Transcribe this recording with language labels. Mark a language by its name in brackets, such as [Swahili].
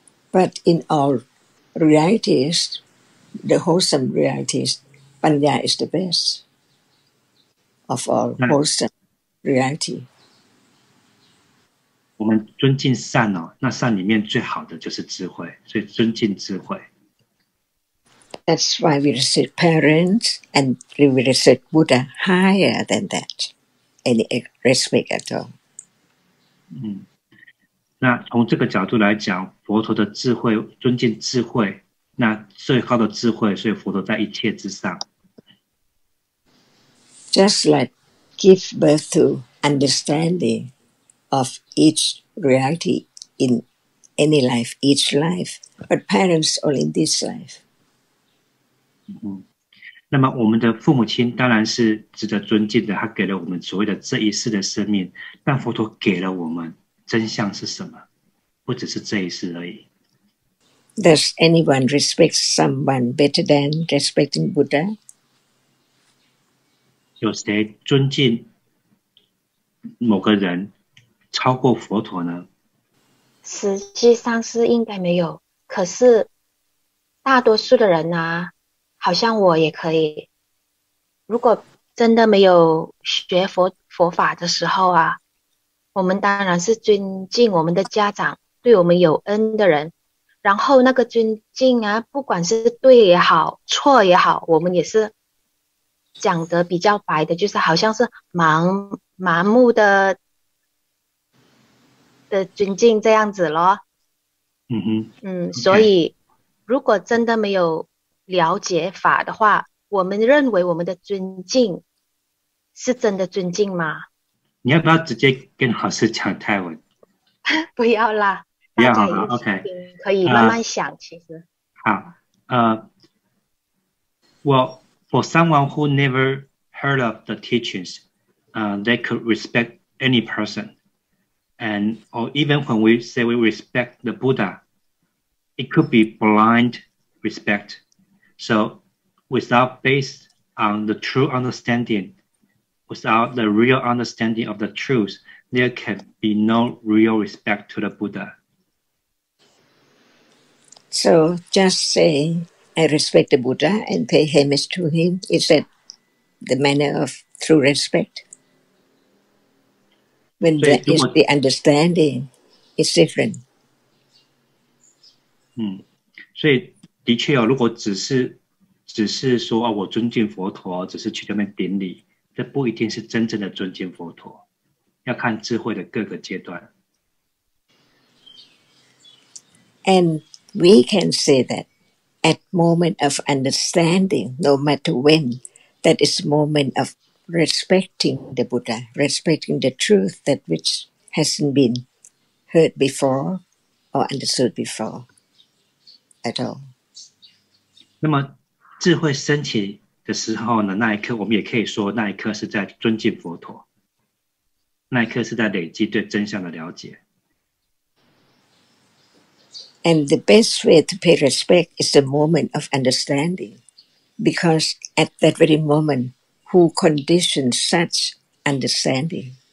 [English] But in all realities, the wholesome realities, Panya is the best of all wholesome reality. [Chinese] 我们尊敬善哦，那善里面最好的就是智慧，所以尊敬智慧。 [English] That's why we respect parents and we respect Buddha higher than that, any respect at all. [Chinese] 那从这个角度来讲，佛陀的智慧，尊敬智慧，那最高的智慧，所以佛陀在一切之上。 [English] Just like give birth to understanding of each reality in any life, each life, but parents only in this life. [Chinese] 那么我们的父母亲当然是值得尊敬的，他给了我们所谓的这一世的生命，但佛陀给了我们真相是什么？不只是这一世而已。 [English] Does anyone respect someone better than respecting Buddha? [Chinese] 有谁尊敬某个人超过佛陀呢？实际上是应该没有，可是大多数的人啊，好像我也可以，如果真的没有学 佛法的时候啊，我们当然是尊敬我们的家长，对我们有恩的人，然后那个尊敬啊，不管是对也好错也好，我们也是讲得比较白的，就是好像是盲目的尊敬这样子咯。嗯哼，所以如果真的没有了解法的话，我们认为我们的尊敬是真的尊敬吗？你要不要直接跟老师讲泰文？不要啦，不要好了。OK，可以慢慢想。其实好， [English] well, for someone who never heard of the teachings, they could respect any person, and or even when we say we respect the Buddha, it could be blind respect. So, without based on the true understanding, without the real understanding of the truth, there can be no real respect to the Buddha. So, just say, I respect the Buddha and pay homage to him. Is that the manner of true respect? When there is the understanding, it's different. [Chinese] 所以的确哦，如果只是说、哦、我尊敬佛陀，只是去那边顶礼，这不一定是真正的尊敬佛陀，要看智慧的各个阶段。 [English] And we can say that at moment of understanding, no matter when, that is moment of respecting the Buddha, respecting the truth that which hasn't been heard before or understood before at all. [Chinese] 那么智慧升起的时候呢，那一刻我们也可以说，那一刻是在尊敬佛陀，那一刻是在累积对真相的了解。 [English] And the best way to pay respect is the moment of understanding, because at that very moment, who conditions such understanding?